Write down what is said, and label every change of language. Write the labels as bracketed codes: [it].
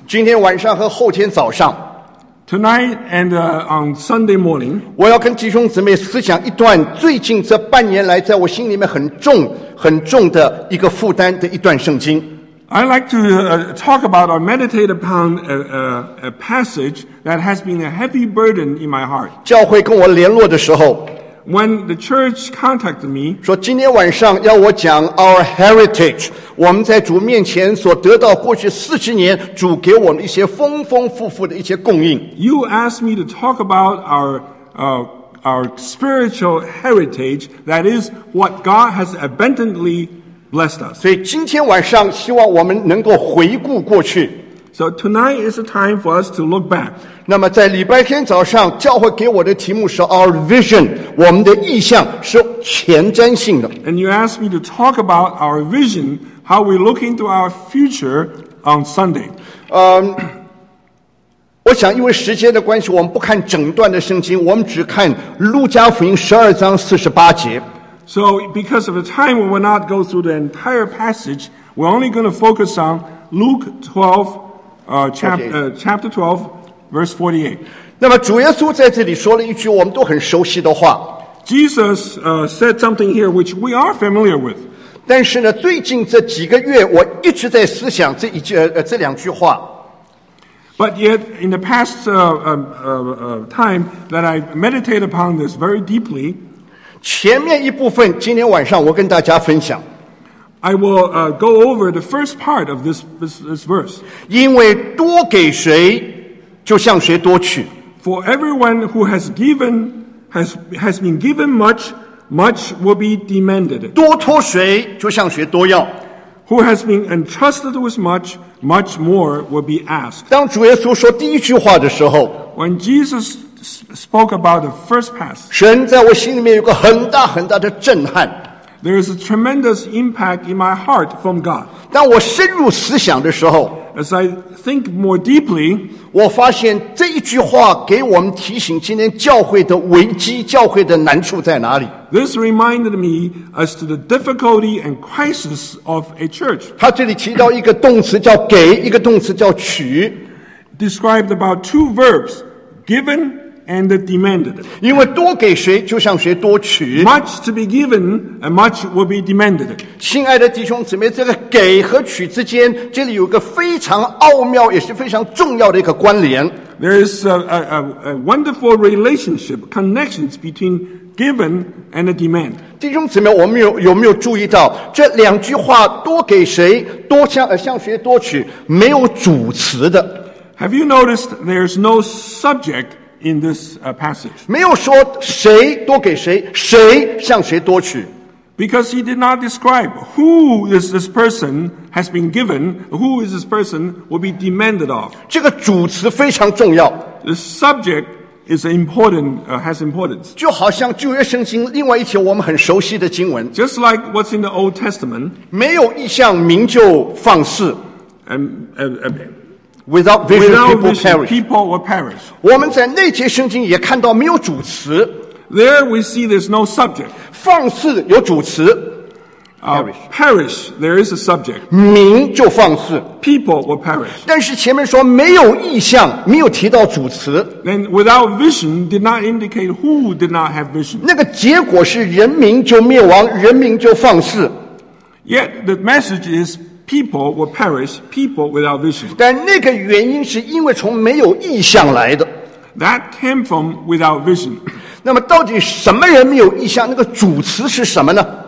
[zh] 今天晚上和后天早上 [en] Tonight and on Sunday morning, [zh] 我要跟弟兄姊妹思想一段最近这半年来在我心里面很重很重的一个负担的一段圣经。 [en] I'd like to talk about or meditate upon a passage that has been a heavy burden in my heart. [zh] 教会跟我联络的时候 [en] When the church contacted me, [zh] 说今天晚上要我讲 [en] our heritage, [zh] 我们在主面前所得到过去四十年主给我们一些丰丰富富的一些供应。 [en] You asked me to talk about our spiritual heritage, that is what God has abundantly blessed us. [zh] 所以今天晚上希望我们能够回顾过去。 [en] So tonight is the time for us to look back. [zh] 那么在礼拜天早上教会给我的题目是 [en] our vision, [zh] 我们的意向是前瞻性的。 [en] And you asked me to talk about our vision, how we look into our future on Sunday. [zh] 我想因为时间的关系我们不看整段的圣经我们只看路加福音十二章四十八节。 [en] So because of the time we will not go through the entire passage, we're only going to focus on Luke 12, chapter 12, verse 48. [zh] 那么主耶稣在这里说了一句我们都很熟悉的话。 [en] Jesus said something here which we are familiar with. [zh] 但是呢，最近这几个月我一直在思想这一句这两句话。 [en] But yet in the past time that I meditate upon this very deeply. [zh] 前面一部分今天晚上我跟大家分享。 [en] I will go over the first part of this verse. [zh] 因为多给谁，就向谁多取。 [en] For everyone who has given, has been given much, much will be demanded. [zh] 多托谁，就向谁多要。 [en] Who has been entrusted with much, much more will be asked. [zh] 当主耶稣说第一句话的时候 [en] ，When Jesus spoke about the first pass, [zh] 神在我心里面有个很大很大的震撼。 [en] There is a tremendous impact in my heart from God. [zh] 当我深入思想的时候 [en] As I think more deeply, [zh] 我发现这一句话给我们提醒今天教会的危机、教会的难处在哪里。 [en] This reminded me as to the difficulty and crisis of a church. [zh] 他这里提到一个动词叫给，一个动词叫取。 [en] Described about two verbs, given and demanded. [zh] 因为多给谁，就向谁多取。 [en] Much to be given and much will be demanded. [zh] 亲爱的弟兄姊妹，这个给和取之间，这里有个非常奥妙，也是非常重要的一个关联。 [en] There is a wonderful relationship, connections between given and demand. [zh] 弟兄姊妹，我们有没有注意到这两句话，多给谁，多向谁多取，没有主词的。 [en] Have you noticed there's no subject in this passage? [zh] 没有说谁多给谁，谁向谁多取。 [en] Because he did not describe who is this person has been given, who is this person will be demanded of. [zh] 这个主词非常重要。 [en] The subject is important, has importance. [zh] 就好像旧约圣经另外一节我们很熟悉的经文。 [en] Just like what's in the Old Testament. [zh] 没有一项名就放肆。 [en] Without vision, people will perish. [zh] 我们在那节圣经也看到没有主词。 [en] There we see there's no subject. [zh] 放肆有主词。 [en] Perish, there is a subject. [zh] 民就放肆。 [en] People will perish. [zh] 但是前面说没有意象，没有提到主词。 [en] And without vision, did not indicate who did not have vision. [zh] 那个结果是人民就灭亡，人民就放肆。 [en] Yet the message is. People will perish, people without vision. [zh] 但那个原因是因为从没有意象来的。 [en] That came from without vision. [zh] 那么到底什么人没有意象？那个主词是什么呢？